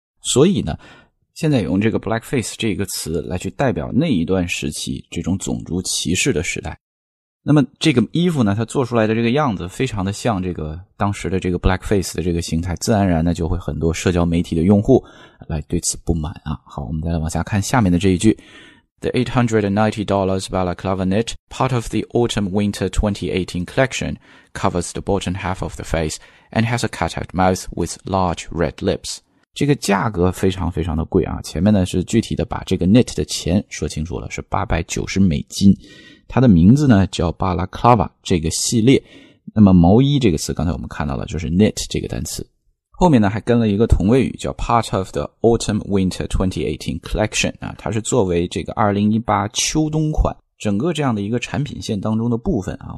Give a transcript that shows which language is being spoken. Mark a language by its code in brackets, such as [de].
[zh] 所以呢现在用这个 blackface 这个词来去代表那一段时期这种种族歧视的时代。那么这个衣服呢它做出来的这个样子非常的像这个当时的这个 blackface 的这个形态，自然然呢就会很多社交媒体的用户来对此不满啊。好，我们再来往下看下面的这一句。 [en] The $890 balaclava knit, part of the autumn winter 2018 collection, covers the bottom half of the face and has a cut-out mouth with large red lips. [zh] 这个价格非常非常的贵啊，前面呢是具体的把这个 knit 的钱说清楚了，是890美金。它的名字呢叫 balaclava 这个系列。那么毛衣这个词刚才我们看到了就是 knit 这个单词，后面呢还跟了一个同位语叫 [en] part of the autumn winter 2018 collection [zh] 啊，它是作为这个2018秋冬款整个这样的一个产品线当中的部分啊。